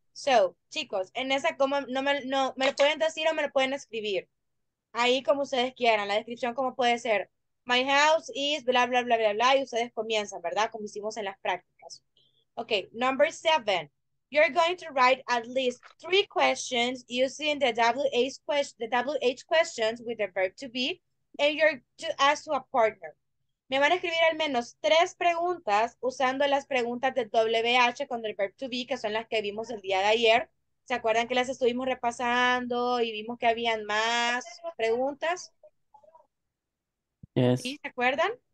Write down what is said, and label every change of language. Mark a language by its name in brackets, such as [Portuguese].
[Spanish] So, chicos, en esa como no me, no, me lo pueden decir o me lo pueden escribir. Ahí como ustedes quieran, la descripción como puede ser, [English] my house is [Spanish] bla, bla, bla, bla, bla, y ustedes comienzan, ¿verdad? Como hicimos en las prácticas. [English] Okay, number seven. You're going to write at least three questions using the WH questions with the verb to be, and you're to ask to a partner. [Spanish] Me van a escribir al menos tres preguntas usando las preguntas de WH con el verb to be, que son las que vimos el día de ayer. ¿Se acuerdan que las estuvimos repasando y vimos que habían más preguntas? [English] Yes. [Spanish] ¿Sí? ¿Se acuerdan?